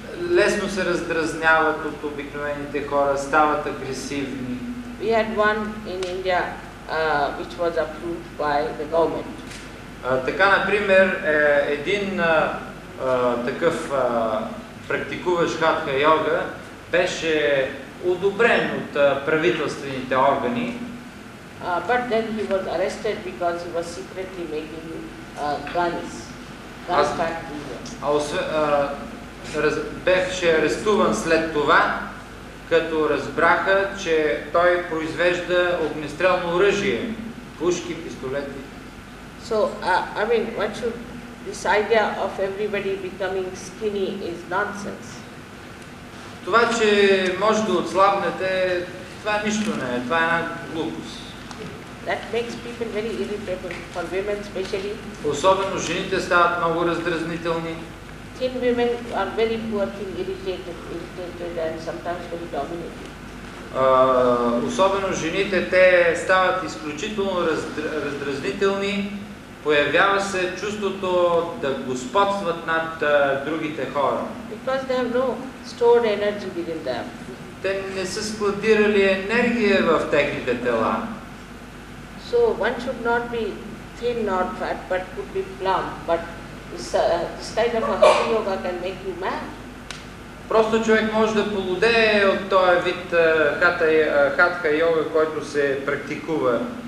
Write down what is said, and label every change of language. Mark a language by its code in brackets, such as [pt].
[bg] Лесно се раздразняват от обикновените хора, стават агресивни. [en] We had one in India, which was approved by the government. [bg] Така, например, един такъв практикуващ хатха йога беше одобрен от правителствените органи. [en] But then he was arrested because he was secretly making guns. [bg] Беше арестуван след това, като разбраха, че той произвежда огнестрелно оръжие, пушки, пистолети. [en] So, I mean, what should this idea of everybody becoming skinny is nonsense. [bg] Това, че може да отслабнете, това нищо не е, това е една глупост. [en] That makes people very irritable, for women especially. [bg] Особено жените стават много раздразнителни. [en] Thin women are very poor, thin, irritated and sometimes very dominated. [bg] Особено жените, те стават изключително раздразнителни. Появява се чувството да господстват над другите хора. [en] Because they have no stored energy within them. [bg] Те не са складирали енергия в техните тела. [en] So one should not be thin nor fat, but could be plump, but this kind of a Hatha Yoga can make you mad. [bg] Просто човек може да полудее от този вид хатха йога, който се практикува.